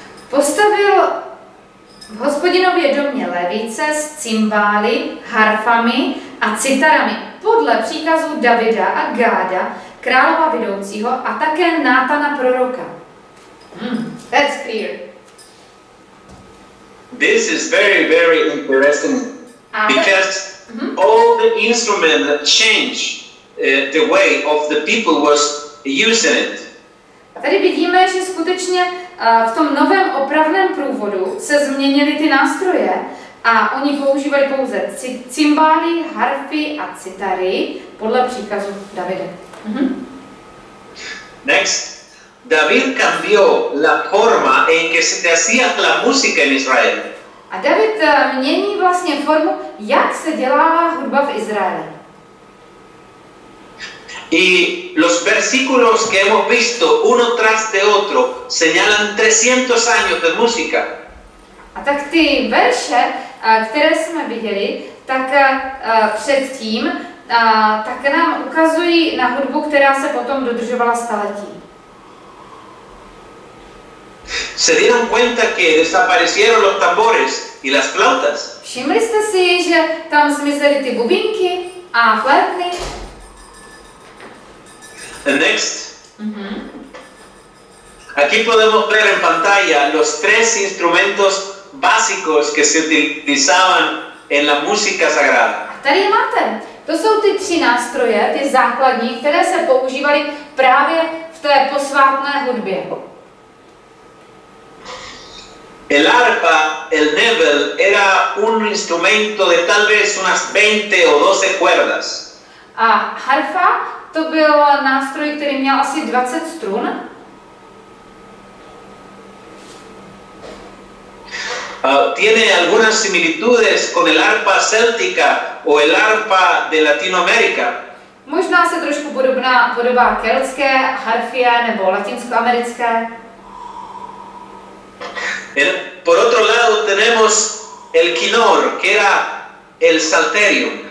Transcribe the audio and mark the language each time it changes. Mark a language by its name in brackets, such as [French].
[Czech] Postavil v Hospodinově domě levice s cymbály, harfami a citarami podle příkazu Davida a Gáda, králova vidoucího a také Nátana proroka. [English] That's clear. This is very, very interesting because all the instruments change the way of the people was using it. [Czech] A tady vidíme, že skutečně v tom novém opravném průvodu se změnily ty nástroje a oni používali pouze cymbály, harfy a citary podle příkazu Davida. [English] Next. [Spanish] David cambió la forma en que se hacía la música en Israel. [Czech] A David mění vlastně formu, jak se dělala hudba v Izraeli. [Spanish] Y los versículos que hemos visto uno tras de otro señalan 300 años de música. [Czech] A tak ty verše, které jsme viděli, tak předtím, tak nám ukazují na hudbu, která se potom dodržovala staletí. [Spanish] Se dieron cuenta que desaparecieron los tambores y las flautas. [Czech] Všimli jste si, že tam zmizely ty bubínky a flétny. [English] Next. [Spanish] Aquí podemos ver en pantalla los tres instrumentos básicos que se utilizaban en la música sagrada. [Czech] Tady je máte. To jsou ty tři nástroje, ty základní, které se používaly právě v té posvátné hudbě. [Spanish] El arpa, el nebel, era un instrumento de tal vez unas 20 o 12 cuerdas. [Czech] A harfa, to byl nástroj, který měl asi 20 strun. [Spanish] Tiene algunas similitudes con el arpa céltica o el arpa de Latinoamérica. [Czech] Možná se trošku podobá keltské harfie nebo latinskoamerické. [Spanish] Por otro lado tenemos el kinor, que era el salterio.